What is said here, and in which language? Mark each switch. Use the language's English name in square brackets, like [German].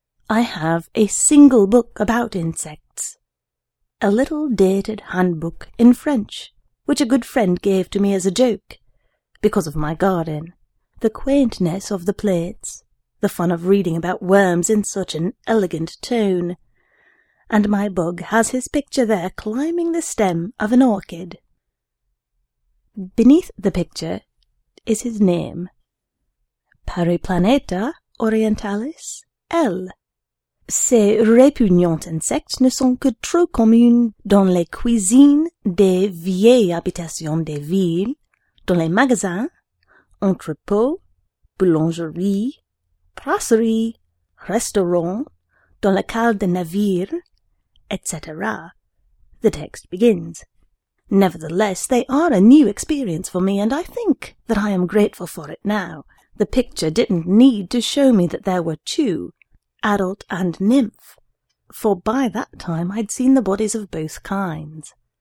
[English] I have a single book about insects, a little dated handbook in French, which a good friend gave to me as a joke, because of my garden, the quaintness of the plates, the fun of reading about worms in such an elegant tone, and my bug has his picture there climbing the stem of an orchid. Beneath the picture is his name, Periplaneta orientalis L. [French] Ces répugnants insectes ne sont que trop communs dans les cuisines des vieilles habitations des villes, dans les magasins, entrepôts, boulangeries, brasseries, restaurants, dans les cales de navires, etc. [English] The text begins. Nevertheless, they are a new experience for me, and I think that I am grateful for it now. The picture didn't need to show me that there were two, adult and nymph, for by that time I'd seen the bodies of both kinds.